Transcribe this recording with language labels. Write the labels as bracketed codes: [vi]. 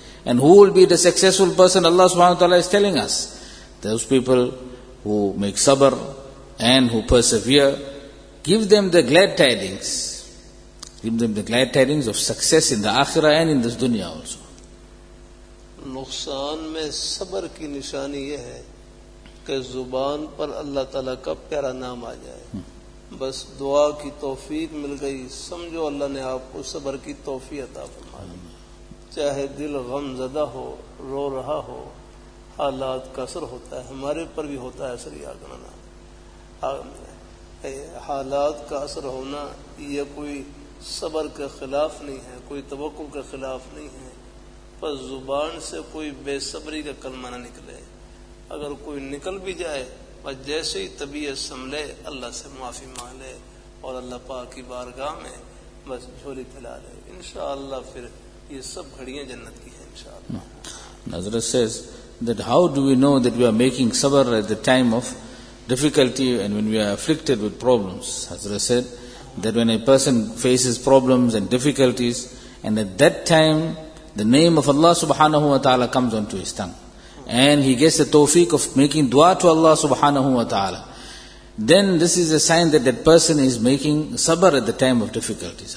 [en] And who will be the successful person? Allah subhanahu wa ta'ala is telling us. Those people who make sabr and who persevere, give them the glad tidings. Give them the glad tidings of success in the akhirah and in this dunya also. [ur] نقصان میں صبر کی نشانی یہ ہے کہ زبان پر اللہ تعالیٰ کا پیارا نام آ جائے. بس دعا کی توفیق مل گئی, سمجھو اللہ نے آپ کو صبر کی توفیق عطا فرمائی. چاہے دل غم زدہ ہو, رو رہا ہو, حالات کا اثر ہوتا ہے, ہمارے پر بھی ہوتا ہے اثر, یاد رہنا. حالات کا اثر ہونا یہ کوئی صبر کے خلاف نہیں ہے, کوئی توقع کے خلاف نہیں ہے. پس زبان سے کوئی بے صبری کا کلمہ نہ نکلے, اگر کوئی نکل بھی جائے پس جیسے ہی طبیعت سنبھلے اللہ سے معافی مانگ لے اور اللہ پاک کی بارگاہ میں بس جھولی پھیلا لے, انشاءاللہ پھر یہ سب گھڑیاں جنت کی ہیں انشاءاللہ. [en] نظر says that how do we know that we are making sabr at the time of difficulty and when we are afflicted with problems? Hazrat said that when a person faces problems and difficulties, and at that time the name of Allah subhanahu wa ta'ala comes onto his tongue and he gets the tawfiq of making dua to Allah subhanahu wa ta'ala, then this is a sign that that person is making sabr at the time of difficulties.